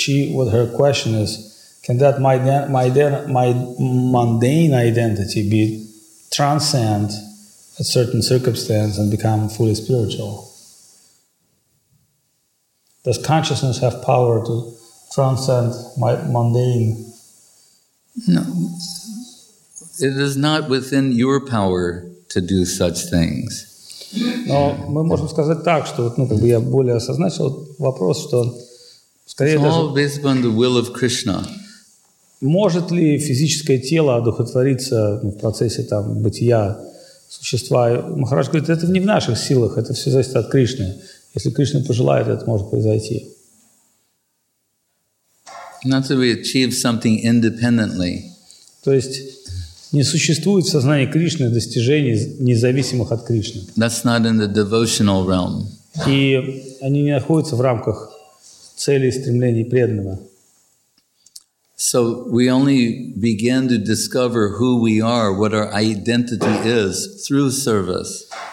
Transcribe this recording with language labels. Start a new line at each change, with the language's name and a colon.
English: What her question is, can that my mundane identity be transcend a certain circumstance and become fully spiritual? Does consciousness have power to transcend my mundane? No. It is not within your power to do such things.
Russian: Но мы можем сказать так, что ну как бы я более осознал вопрос, что скорее даже.
English: It's all based on the will of Krishna.
Russian: Может ли физическое тело одухотвориться в процессе там бытия существа? Махарадж говорит, это не в наших силах, это все зависит от Кришны. Если Кришна пожелает, это может произойти.
English: Not that we achieve something independently.
Russian: То есть не существует в сознании Кришны достижений, независимых от Кришны.
English: That's not in the devotional realm.
Russian: И они не находятся в рамках целей и стремлений преданного.
English: So we only begin to discover who we are, what our identity is, through service.